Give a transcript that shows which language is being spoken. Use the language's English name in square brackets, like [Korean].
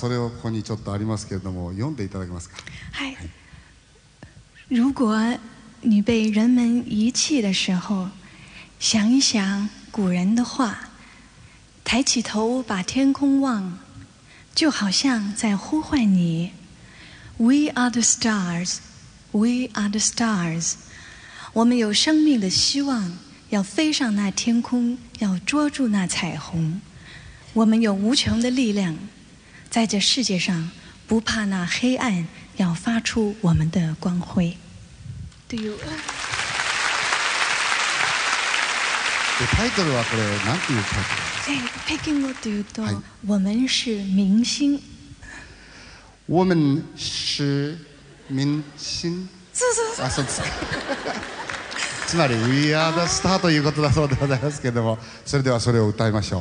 [Japanese] それをここにちょっとありますけれども、読んでいただけますか。はい。 [Chinese] 如果你被人们遗弃的时候，想一想古人的话，抬起头把天空望，就好像在呼唤你。 [English] We are the stars, we are the stars。 [Chinese] 我们有生命的希望，要飞上那天空，要捉住那彩虹。我们有无穷的力量，在这世界上不怕那黑暗，要发出我们的光辉。 [English] Do you? The title [Japanese] はこれ何ていうタイトル？北京語で言うと、はい、 [Chinese] 我们是明星。我们是明星。 [Japanese] そうそうそう。あ、そうですか。つまり [English] We are the star [Japanese] ということだそうでございますけれども、それではそれを歌いましょう。